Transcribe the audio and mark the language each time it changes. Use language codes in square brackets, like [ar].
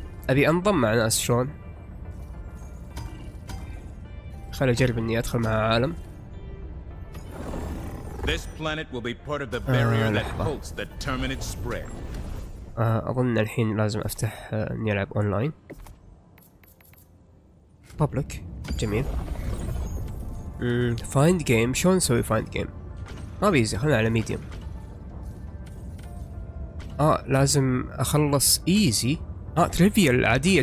[ar] أبي أنضم مع ناس شلون؟ خل أجرب إني أدخل مع عالم. [en] This planet will be part of the barrier that holds the terminate spread. [ar] أظن الحين لازم أفتح نلعب أونلاين. [en] Public. [ar] جميل. [en] Find game. [ar] شلون نسوي find game؟ ما بيزي. خلنا على medium. لازم أخلص easy. Trivial عادية.